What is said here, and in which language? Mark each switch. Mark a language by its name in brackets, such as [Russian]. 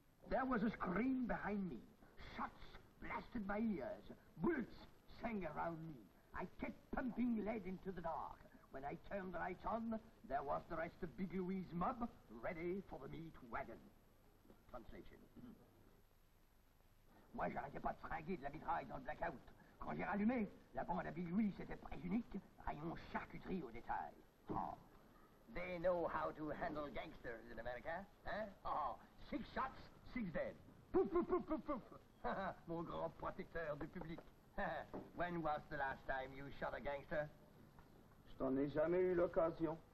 [English] There was a scream behind me. Shots blasted my ears. Bullets sang around me. I kept pumping lead into the dark. When I turned the lights on, there was the rest of Big Louis's mob ready for the meat wagon. Translation. [French] Moi, j'arrêtais pas de fringuer de la mitraille dans le blackout. Quand j'ai rallumé, la bande à Big Louis était presque unique. Rayon charcuterie au détail. Oh. [English] They know how to handle gangsters in America, hein? Oh, six shots. Six dead. Pouf, pouf, pouf, pouf, pouf. [French] Mon grand protecteur du public. [English] When was the last time you shot a gangster? [French] Je t'en ai jamais eu l'occasion.